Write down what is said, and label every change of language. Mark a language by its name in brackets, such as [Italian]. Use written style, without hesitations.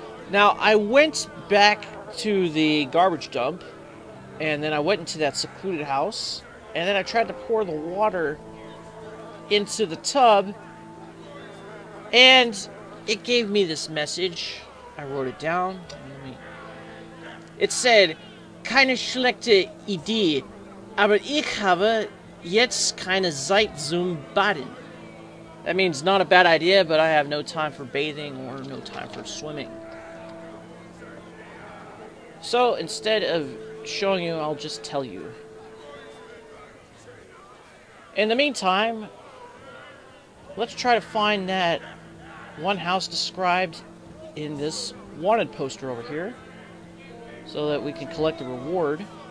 [English] Now, I went back to the garbage dump, and then I went into that secluded house, and then I tried to pour the water into the tub, and it gave me this message. I wrote it down. It said, [German] "Keine schlechte Idee, aber ich habe jetzt keine Zeit zum Baden." [English] That means not a bad idea, but I have no time for bathing or no time for swimming. So instead of showing you, I'll just tell you. In the meantime, let's try to find that one house described in this wanted poster over here, so that we can collect the reward.